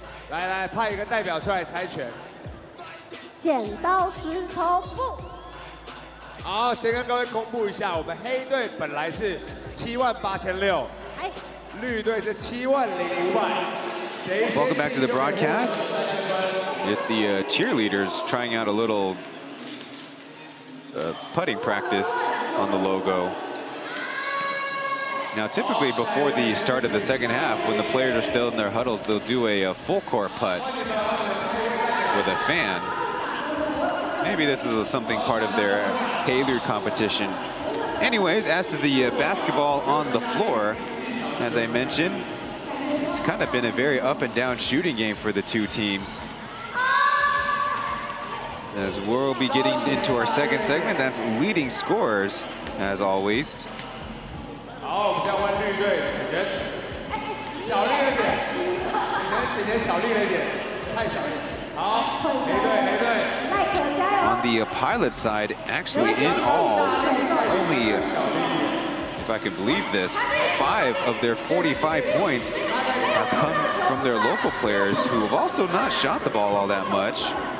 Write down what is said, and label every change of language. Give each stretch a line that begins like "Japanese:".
Chinese: 来来，派一个代表出来猜拳。剪刀石头布。好，先跟各位公布一下，我们黑队本来是78600，哎，绿队是70500。
English: Welcome back to the broadcast. It's the cheerleaders trying out a little putting practice on the logo. Now, typically before the start of the second half, when the players are still in their huddles, they'll do a full court putt with a fan. Maybe this is something part of their Haylure competition. Anyways, as to the basketball on the floor, as I mentioned, it's kind of been a very up and down shooting game for the two teams. As we'll be getting into our second segment, that's leading scorers, as always.
Chinese: 好，我们再换绿队，姐姐，小绿了一点，姐姐小绿了一点，太小了。好，黑队，黑队。
English: On the pilot side, actually in all, only, if I can believe this, 5 of their 45 points have come from their local players who have also not shot the ball all that much.